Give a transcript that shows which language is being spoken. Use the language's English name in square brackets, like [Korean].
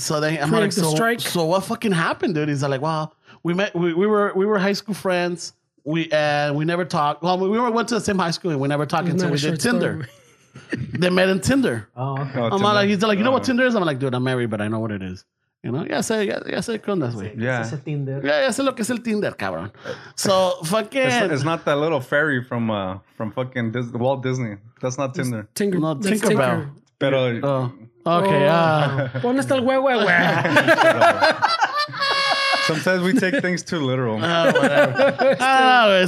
[English] So then I'm like, so what fucking happened, dude? He's like, well, we were high school friends. We never talked. Well, we went to the same high school and we never talked until we did Tinder. They met in Tinder. Oh, okay. He's like, you know what Tinder is? I'm like, dude, I'm married, but I know what it is. You know? Yeah, say it this way. Yeah. Yeah, say [Spanish] lo que es el Tinder, cabrón. [English] So, fucking. It's not that little fairy from fucking Walt Disney. That's not Tinder. Tinkerbell. [Spanish] Pero. [English] Okay. [Spanish] ¿Dónde está el huevo? [English] Sometimes we take things too literal. Whatever.